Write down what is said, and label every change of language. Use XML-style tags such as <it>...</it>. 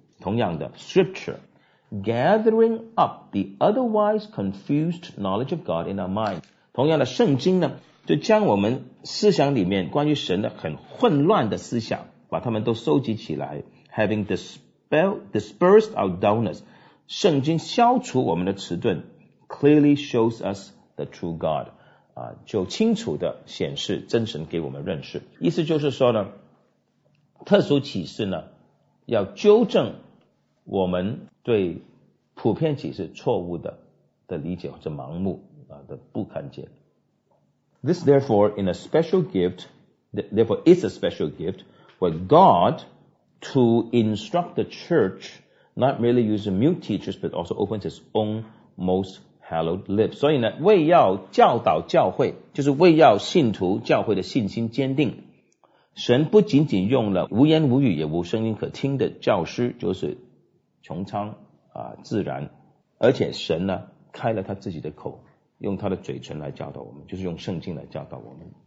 <zh>同样的</zh> <en>scripture gathering up the otherwise confused knowledge of God in our mind，</en> <zh>同样的圣经呢就将我们思想里面关于神的很混乱的思想把他们都收集起来，</zh> <en>having dispersed our dullness，</en> <zh>圣经消除我们的迟钝，</zh> <en>clearly shows us the true God、</en> <zh>就清楚的显示真神给我们认识。意思就是说呢，特殊启示呢要纠正我们对普遍启示错误 的理解或者盲目、的不看见。</zh> <en>This therefore in a special gift, therefore is a special gift for God to instruct the church, not merely using mute teachers, but also opens his own most hallowed lips.</en> <zh>所以呢，为要教导教会，就是为要信徒教会的信心坚定，神不仅仅用了无言无语也无声音可听的教师，就是穹苍、自然，而且神呢开了他自己的口，用他的嘴唇来教导我们，就是用圣经来教导我们。</zh>